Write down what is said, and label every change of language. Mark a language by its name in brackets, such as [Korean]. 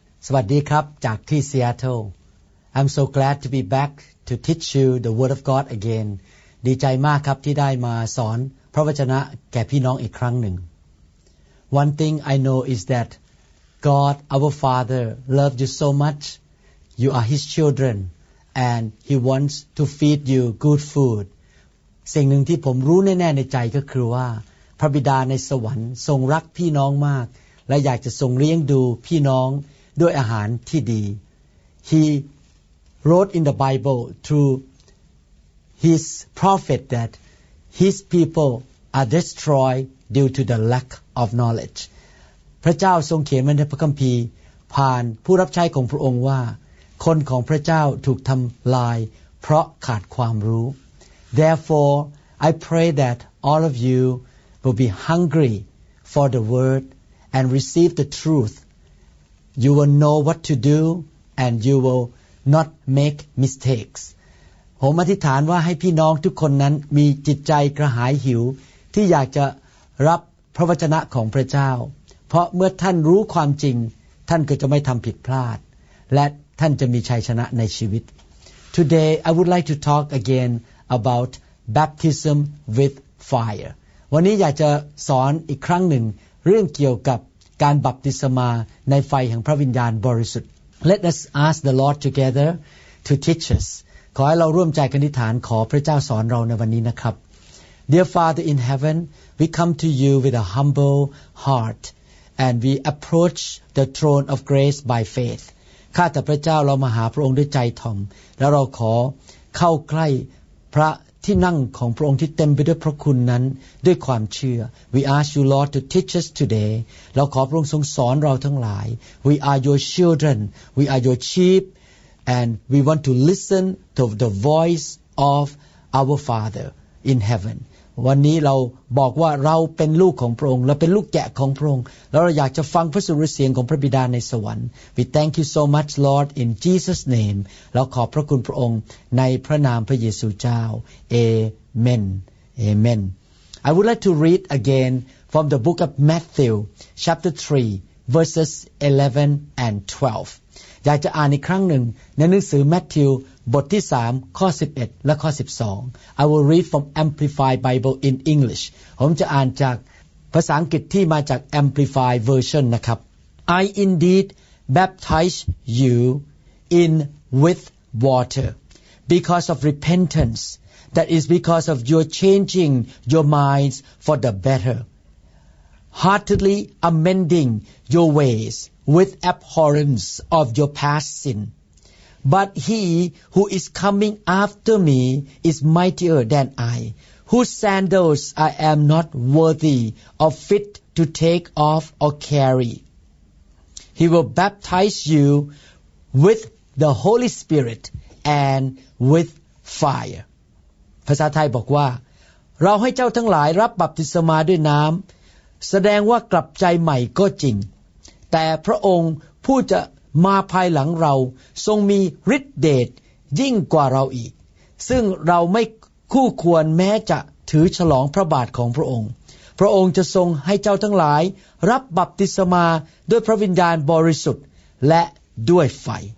[Thai] สวัสดีครับจากที่ [English] Seattle. I'm so glad to be back to teach you the Word of God again. [Thai] ดีใจมากครับที่ได้มาสอนพระวจนะแก่พี่น้องอีกครั้งหนึ่ง [English] One thing I know is that God, our Father, loves you so much. You are His children and He wants to feed you good food. [Thai] สิ่งหนึ่งที่ผมรู้แน่ๆในใจก็คือว่าพระบิดาในสวรรค์ทรงรักพี่น้องมากและอยากจะทรงเลี้ยงดูพี่น้องด้วยอาหารที่ดี [English] He wrote in the Bible through His prophet that His people are destroyed due to the lack of knowledge. [Thai] พระเจ้าทรงเขียนไว้ในพระคัมภีร์ผ่านผู้รับใช้ของพระองค์ว่าคนของพระเจ้าถูกทำลายเพราะขาดความรู้ [English] Therefore, I pray that all of you will be hungry for the word and receive the truth. You will know what to do, and you will not make mistakes. [Thai] ผมอธิษฐานว่าให้พี่น้องทุกคนนั้นมีจิตใจกระหายหิวที่อยากจะรับพระวจนะของพระเจ้าเพราะเมื่อท่านรู้ความจริงท่านก็จะไม่ทำผิดพลาดและท่านจะมีชัยชนะในชีวิต [English] Today, I would like to talk again about baptism with fire. [Thai] วันนี้อยากจะสอนอีกครั้งหนึ่งเรื่องเกี่ยวกับการบัพติศมาในไฟแห่งพระวิญญาณบริสุทธิ์ [English] Let us ask the Lord together to teach us [Thai] ขอให้เราร่วมใจกันอธิษฐานขอพระเจ้าสอนเราในวันนี้นะครับ [English] Dear Father in heaven we come to you with a humble heart and we approach the throne of grace by faith [Thai] ข้าแต่พระเจ้าเรามาหาพระองค์ด้วยใจถ่อมแล้วเราขอเข้าใกล้พระที่นั่งของพระองค์ที่เต็มไปด้วยพระคุณนั้นด้วยความเชื่อ [English] We ask you Lord to teach us today [Thai] เราขอพระองค์ทรงสอนเราทั้งหลาย [English] We are your children We are your sheep and we want to listen to the voice of our Father in heaven [Thai] วันนี้เราบอกว่าเราเป็นลูกของพระองค์เราเป็นลูกแกะของพระองค์แล้วเราอยากจะฟังพระสุรเสียงของพระบิดาในสวรรค์ [English] We thank you so much Lord in Jesus name [Thai] เราขอบพระคุณพระองค์ในพระนามพระเยซูเจ้า Amen [English] Amen I would like to read again from the book of Matthew chapter 3 verses 11 and 12อ [Thai] ยากจะอ่านอีกครั้งหนึ่งในหนังสือแมทธิวบทที่3ข้อ11และข้อ12 [English] I will read from Amplified Bible in English [Thai] ผมจะอ่านจากภาษาอังกฤษที่มาจาก Amplified Version นะครับ [English] I indeed baptize you in with water because of repentance that is because of your changing your minds for the better heartily amending your ways with abhorrence of your past sinBut he who is coming after me is mightier than I, whose sandals I am not worthy or fit to take off or carry. He will baptize you with the Holy Spirit and with fire. [Thai] ภาษาไทยบอกว่าเราให้เจ้าทั้งหลายรับบัพติศมาด้วยน้ำแสดงว่ากลับใจใหม่ก็จริง แต่พระองค์ผู้จะมาภายหลังเราทรงมีฤทธิ์เดชยิ่งกว่าเราอีก ซึ่งเราไม่คู่ควรแม้จะถือฉลองพระบาทของพระองค์พระองค์จะทรงให้เจ้าทั้งหลายรับบัพติศมาด้วยพระวิญญาณบริสุทธิ์และด้วยไฟ